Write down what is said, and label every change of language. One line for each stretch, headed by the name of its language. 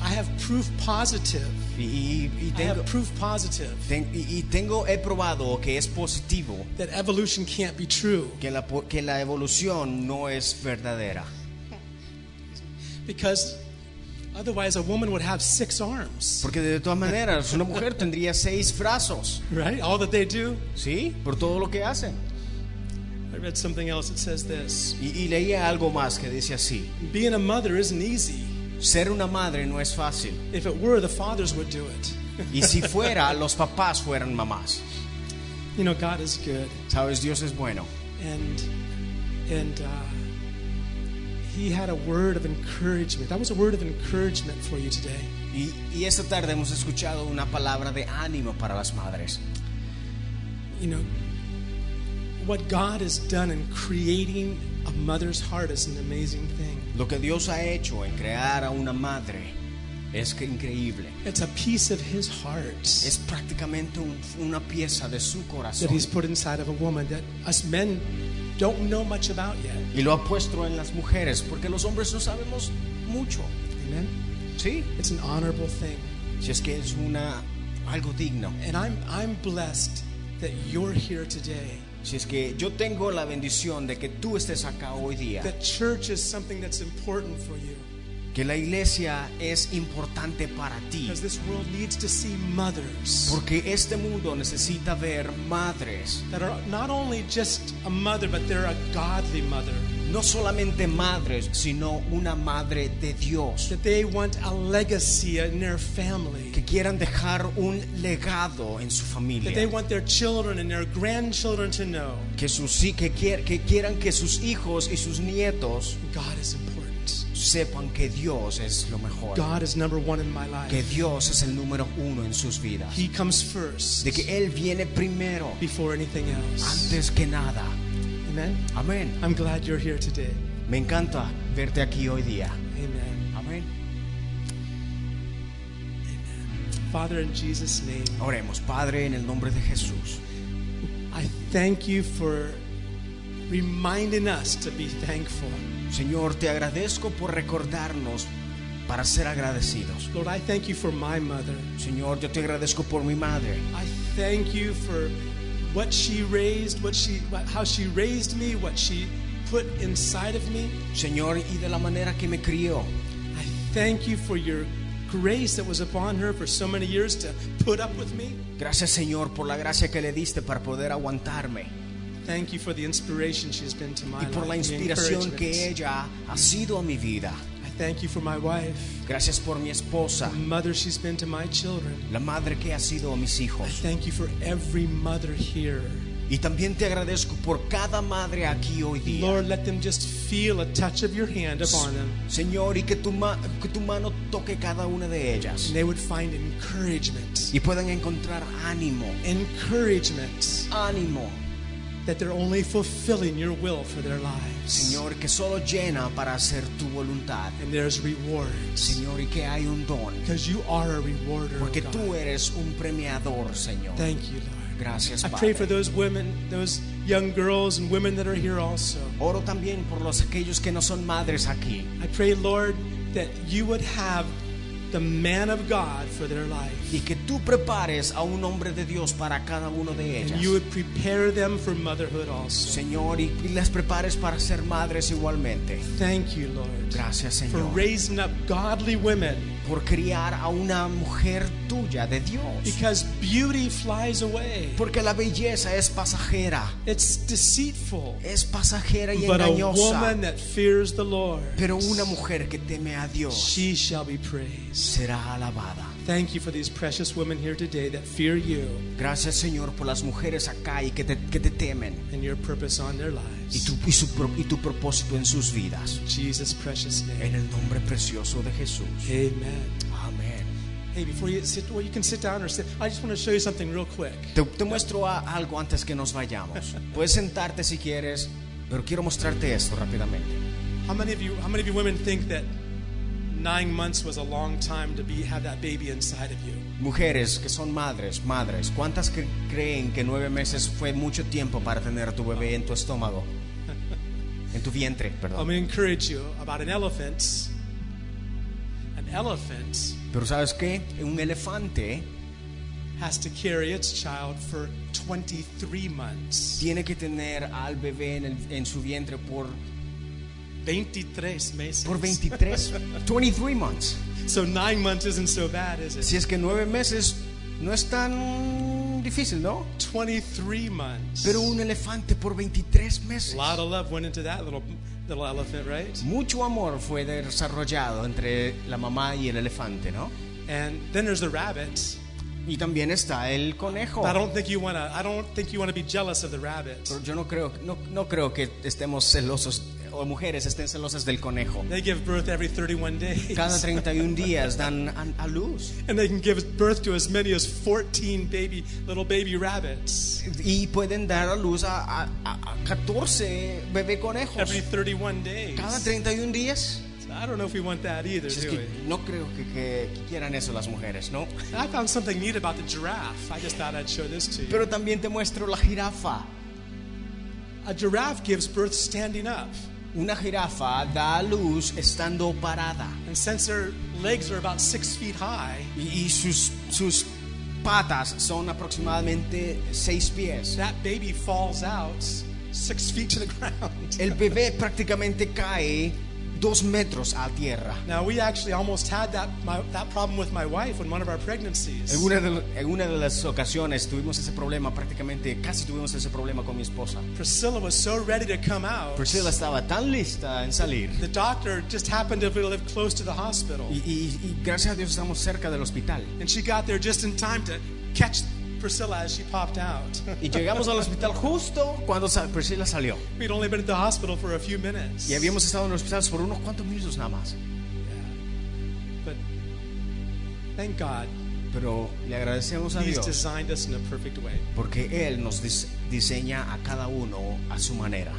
English: I have proof positive.
Spanish: Y tengo,
English: I have proof positive.
Spanish: He probado que es positivo.
English: That evolution can't be true.
Spanish: Que la evolución no es verdadera.
English: Because otherwise a woman would have six arms.
Spanish: Porque de todas maneras una mujer tendría seis brazos.
English: Right? All that they do.
Spanish: Sí, por todo lo que hacen.
English: I read something else that says this.
Spanish: Y leía algo más que dice así.
English: Being a mother isn't easy.
Spanish: Ser una madre no es fácil.
English: If it were, the fathers would do it.
Spanish: Y si fuera, los papás fueran mamás.
English: You know, God is good.
Spanish: Sabes, Dios es bueno.
English: And he had a word of encouragement. That was a word of encouragement for you today.
Spanish: Y esta tarde hemos escuchado una palabra de ánimo para las madres.
English: You know, what God has done in creating a mother's heart is an amazing thing.
Spanish: Lo que Dios ha hecho en crear a una madre es increíble.
English: It's a piece of His heart.
Spanish: Es prácticamente una pieza de su corazón.
English: That He's put inside of a woman that us men don't know much about yet.
Spanish: Y lo ha puesto en las mujeres porque los hombres no sabemos mucho.
English: Amen.
Spanish: Sí.
English: It's an honorable thing.
Spanish: Si es que es una algo digno.
English: And I'm blessed that you're here today.
Spanish: Si es que yo tengo la bendición de que tú estés acá hoy día.
English: The church is something that's important for you.
Spanish: Que la iglesia es importante para ti.
English: Because this world needs to see mothers.
Spanish: Porque este mundo necesita ver madres.
English: That are not only just a mother, but they're a godly mother.
Spanish: No solamente madres, sino una madre de Dios.
English: That they want a legacy in their family.
Spanish: Que quieran dejar un legado en su familia.
English: That they want their children and their grandchildren to know.
Spanish: Que quieran que sus hijos y sus nietos.
English: God is important.
Spanish: Sepan que Dios es lo mejor.
English: God is number one in my life.
Spanish: Que Dios es el número uno en sus vidas.
English: He comes first.
Spanish: De que Él viene primero.
English: Before anything else.
Spanish: Antes que nada.
English: Amen.
Spanish: Amen.
English: I'm glad you're here today.
Spanish: Me encanta verte aquí hoy día.
English: Amen.
Spanish: Amen.
English: Amen. Father, in Jesus' name.
Spanish: Oremos, Padre, en el nombre de Jesús.
English: I thank you for reminding us to be thankful.
Spanish: Señor, te agradezco por recordarnos para ser agradecidos.
English: Lord, I thank you for my mother.
Spanish: Señor, yo te agradezco por mi madre.
English: I thank you for what she raised, how she raised me, what she put inside of me.
Spanish: Señor, y de la manera que me crió.
English: I thank you for your grace that was upon her for so many years to put up with me.
Spanish: Gracias, Señor, por la gracia que le diste para poder aguantarme.
English: Thank you for the inspiration she has been to my life.
Spanish: Y por la inspiración que ella ha sido a mi vida.
English: I thank you for my wife.
Spanish: Gracias por mi esposa.
English: The mother she's been to my children.
Spanish: La madre que ha sido a mis hijos.
English: I thank you for every mother here.
Spanish: Y también te agradezco por cada madre aquí hoy día.
English: Lord, let them just feel a touch of your hand upon them.
Spanish: Señor, y que tu mano toque cada una de ellas.
English: And they would find encouragement.
Spanish: Y puedan encontrar ánimo.
English: Encouragement.
Spanish: Ánimo.
English: That they're only fulfilling your will for their lives.
Spanish: Señor, que solo llena para hacer tu voluntad.
English: And there's reward.
Spanish: Señor, y que hay un don.
English: Because you are a rewarder.
Spanish: Porque
English: oh God.
Spanish: Tú eres un premiador, Señor.
English: Thank you, Lord.
Spanish: Gracias,
English: I pray for those women, those young girls and women that are here also.
Spanish: Oro también por los aquellos que no son madres aquí.
English: I pray, Lord, that you would have the man of God for their life.
Spanish: Y que tú prepares a un hombre de Dios para cada uno de ellas.
English: And you would prepare them for motherhood also.
Spanish: Señor, y las prepares para ser madres igualmente.
English: Thank you, Lord.
Spanish: Gracias, Señor.
English: For raising up godly women.
Spanish: Por criar a una mujer tuya de Dios.
English: Because beauty flies away.
Spanish: Porque la belleza es pasajera.
English: It's deceitful.
Spanish: Es pasajera y
English: but
Spanish: engañosa.
English: A woman that fears the Lord,
Spanish: pero una mujer que teme a Dios,
English: she shall be praised.
Spanish: Será alabada.
English: Thank you for these precious women here today that fear you.
Spanish: Gracias, Señor, por las mujeres acá y que te temen.
English: And your purpose on their lives.
Spanish: Y tu propósito en sus vidas.
English: Jesus' precious name.
Spanish: En el nombre precioso de Jesús.
English: Amen.
Spanish: Amen.
English: Hey, before you sit, well, you can sit down or sit. I just want to show you something real quick.
Spanish: Te muestro algo antes que nos vayamos. Puedes sentarte si quieres, pero quiero mostrarte esto rápidamente.
English: How many of you women think that 9 months was a long time to have that baby inside of you?
Spanish: Mujeres que son madres, ¿cuántas que creen que 9 meses fue mucho tiempo para tener a tu bebé en tu estómago? En tu vientre, perdón.
English: I'm going to encourage you about an elephant. An elephant.
Spanish: Pero ¿sabes qué? Un elefante
English: has to carry its child for 23 months.
Spanish: Tiene que tener al bebé en su vientre por 23 meses. Por 23 months.
English: So 9 months isn't so bad, is it?
Spanish: Si es que 9 meses no es tan difícil, ¿no?
English: 23 months.
Spanish: Pero un elefante por 23 meses.
English: A lot of love went into that little elephant, right?
Spanish: Mucho amor fue desarrollado entre la mamá y el elefante, ¿no?
English: And then there's the rabbits.
Spanish: Y también está el conejo.
English: I don't think you want to be jealous of the rabbits.
Spanish: Pero yo no creo que estemos celosos o mujeres estén celosas del conejo.
English: They give birth every 31 days.
Spanish: Cada 31 días dan a luz.
English: And they can give birth to as many as 14 little baby rabbits.
Spanish: Y pueden dar a luz a 14 bebé conejos.
English: Every 31 days.
Spanish: Cada 31 días.
English: I don't know if we want that either, do we?
Spanish: No creo que quieran eso las mujeres, ¿no?
English: I found something neat about the giraffe. I just thought I'd show this to you.
Spanish: Pero también te muestro la jirafa.
English: A giraffe gives birth standing up.
Spanish: Una jirafa da luz estando parada.
English: And since their legs are about 6 feet high.
Spanish: Y sus patas son aproximadamente 6 pies.
English: That baby falls out 6 feet to the ground.
Spanish: El bebé prácticamente cae 2 metros a tierra.
English: Now we actually almost had that problem with my wife in one of our pregnancies.
Spanish: En una de las ocasiones tuvimos ese problema, prácticamente casi tuvimos ese problema con mi esposa.
English: Priscilla was so ready to come out.
Spanish: Priscilla estaba tan lista en salir.
English: The doctor just happened to live close to the hospital.
Spanish: Y gracias a Dios estamos cerca del hospital.
English: And she got there just in time to catch Priscilla as she popped out.
Spanish: Y llegamos al hospital justo cuando Priscilla salió.
English: We'd only been at the hospital for a few minutes.
Spanish: Y habíamos estado en el hospital por unos cuantos minutos nada más.
English: Yeah. But thank God.
Spanish: Pero le agradecemos a Dios.
English: He's designed us in a perfect way.
Spanish: Porque él nos diseña a cada uno a su manera.